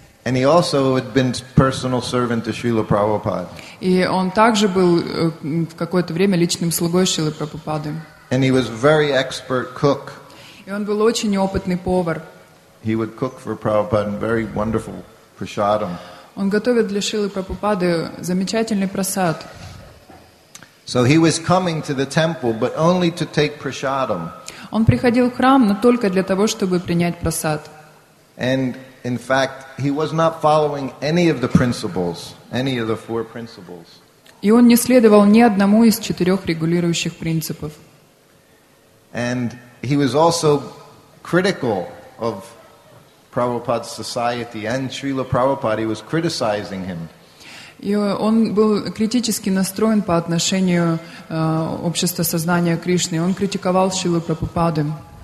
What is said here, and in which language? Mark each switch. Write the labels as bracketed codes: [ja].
[en] And he also had been personal servant to Srila Prabhupada. [ru] И он также был в какое-то время личным слугой Шрилы Прабхупады. [en] And he was very expert cook. [ru] И он был очень опытный повар. [en] He would cook for Prabhupada very wonderful prasadam. [ru] Он готовил для Шрилы Прабхупады замечательный прасад. [en] So he was coming to the temple, but only to take prasadam. [ru] Он приходил в храм, но только для того, чтобы принять прасад. [en] And in fact, he was not following any of the principles, any of the four principles. [ru] И он не следовал ни одному из четырех регулирующих принципов. [en] And he was also critical of Prabhupada's society and Srila Prabhupada. He was criticizing him. [ru] И он был критически настроен по отношению общества сознания Кришны. Он критиковал Шрилу Прабхупаду.